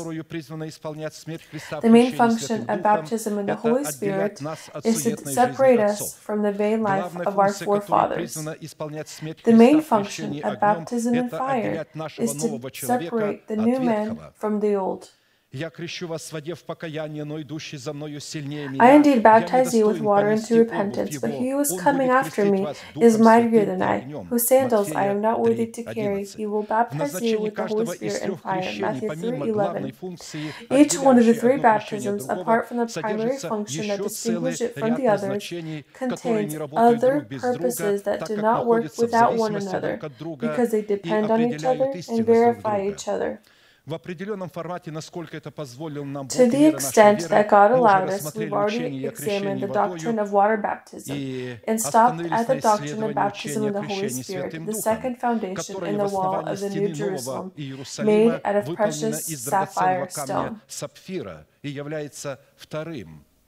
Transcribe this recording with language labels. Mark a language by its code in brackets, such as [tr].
[en] The main function of baptism in the Holy Spirit is to separate us from the vain life of our forefathers. The main function of baptism in fire is to separate the new man from the old. [ru] Я крещу вас в воде в покаяние, но идущий за мною сильнее меня. [en] I indeed baptize you with water into repentance, but he who is coming after me is mightier than I, whose sandals I am not worthy to carry. He will baptize you with the Holy Spirit and fire. Matthew 3:11. Each one of the three baptisms, apart from the primary function that distinguishes it from the others, contains other purposes that do not work without one another, because they depend on each other and verify each other. [ru] В определенном формате, насколько это позволило нам [en] To the extent that God allowed us, we've already examined the doctrine of water baptism and stopped at the doctrine of baptism in the Holy Spirit, the second foundation in the wall of the New Jerusalem, made out of precious sapphire stone. [ru] Сапфира и является вторым.